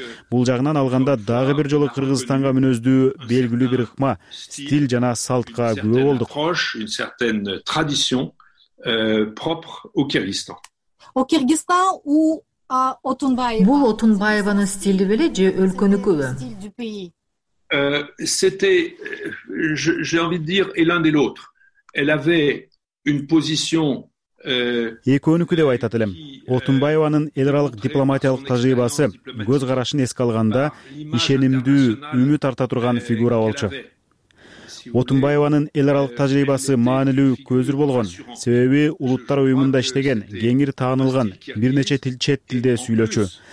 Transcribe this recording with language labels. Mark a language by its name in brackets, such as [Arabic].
[Kyrgyz] Бул жагынан алганда дагы бир жолу Кыргызстанга мүнөздүү белгилүү бир ыкма, стиль жана салтка күбө болдук. [French] Une certaine tradition propre au Kyrgyzstan. Au Kyrgyzstan ou à Otunbayeva? [Kyrgyz] Бул Отунбаеванын стили беле же өлкөнүкүбү? [French] C'était, j'ai envie de dire, et l'un et l'autre. Elle avait une position... [Kyrgyz] Экөөнүкү деп айтат элем. Отунбаеванын эл аралык дипломатиялык тажрыйбасы, көз карашын эске алганда, ишенимдүү, үмүт арта турган фигура болчу. Отунбаеванын эл аралык тажрыйбасы маанилүү көзүр болгон. Себеби, улуттар уюмунда иштеген, кеңири таанылган, бир нече тил чет тилде сүйлөчү.